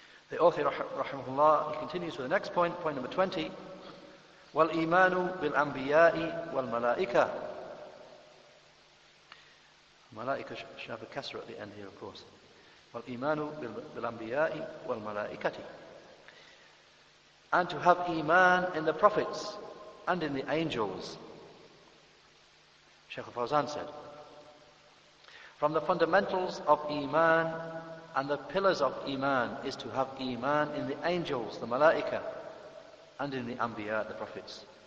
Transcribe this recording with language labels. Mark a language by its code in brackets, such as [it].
[en] The author, rahimahullah, he continues with the next point, point number 20. [ar] والإيمان بالأنبياء والملائكة. [en] ملائكة should have a kasra at the end here, of course. [ar] والإيمان بالأنبياء والملائكة. [en] And to have Iman in the prophets and in the angels. Shaykh al-Fawzan said, from the fundamentals of Iman and the pillars of Iman is to have Iman in the angels, the malaika, and in the anbiya, the prophets.